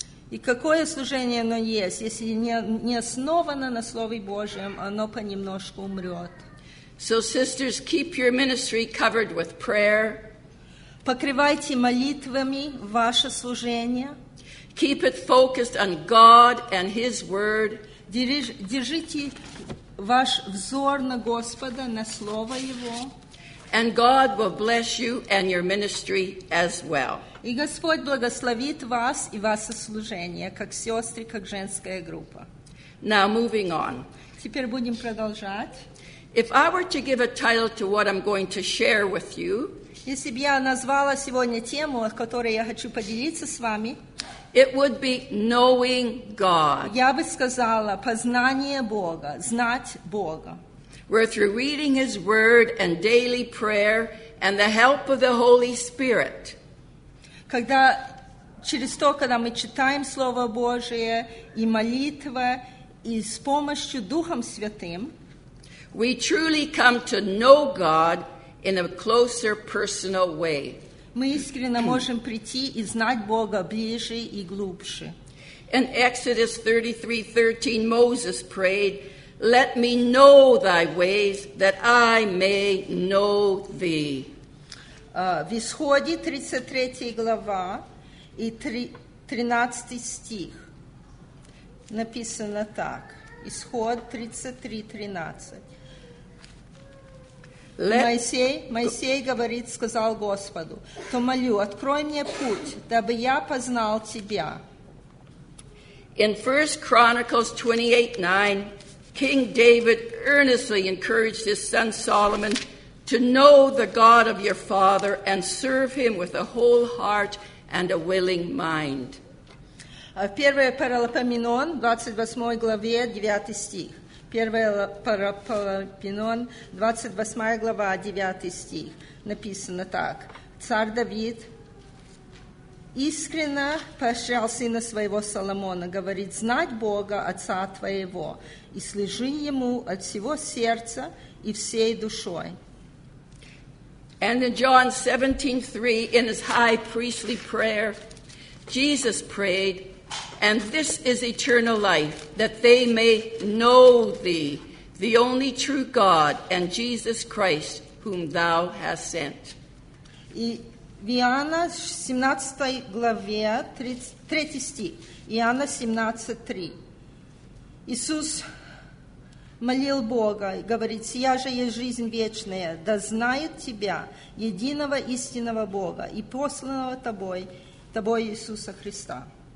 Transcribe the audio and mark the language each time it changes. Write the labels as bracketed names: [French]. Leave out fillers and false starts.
[Russian] И какое служение оно есть, если не основано на Слове Божьем, оно понемножку умрет. [English] So, sisters, keep your ministry covered with prayer. [Russian] Покрывайте молитвами ваше служение. [English] Keep it focused on God and His Word. [Russian] Держите ваш взор на Господа, на Слово Его. [English] And God will bless you and your ministry as well. [Russian] И Господь благословит вас и ваше служение, как сестры, как женская группа. [English] Now moving on. [Russian] Теперь будем продолжать. [English] If I were to give a title to what I'm going to share with you, [Russian] если бы я назвала сегодня тему, о которой я хочу поделиться с вами, [English] it would be knowing God. [Russian] Я бы сказала познание Бога, знать Бога. [English] Where through reading His Word and daily prayer and the help of the Holy Spirit. [Russian] Когда через то, когда мы читаем Слово Божие и молитва и с помощью Духом Святым, [English] we truly come to know God in a closer personal way. [Russian] Мы искренне можем прийти и знать Бога ближе и глубже. [English] In Exodus 33:13, Moses prayed, Let me know thy ways, that I may know thee. [Russian] В Исходе 33 глава и 13 стих написано так. Исход 33:13. Моисей говорит, сказал Господу: «То молю, открой мне путь, дабы я познал тебя». [English] In 1 Chronicles 28:9, King David earnestly encouraged his son Solomon to know the God of your father and serve him with a whole heart and a willing mind. [Russian] В 1 Паралипоменон, 28 главе, 9 стих. 1 Паралипоменон, 28 глава, 9 стих. Написано так. Царь Давид искренно поощрял сына своего Соломона, говорит, знать Бога отца твоего и служи ему от всего сердца и всей душой. [English] And in John 17:3, in his high priestly prayer, Jesus prayed, and this is eternal life, that they may know thee, the only true God, and Jesus Christ, whom thou hast sent. [Russian] И в Иоанна 17 главе, 3 стих, Иоанна 17:3. Иисус молил Бога и говорит, «Сия же есть жизнь вечная, да знает тебя, единого истинного Бога и посланного тобой Иисуса Христа».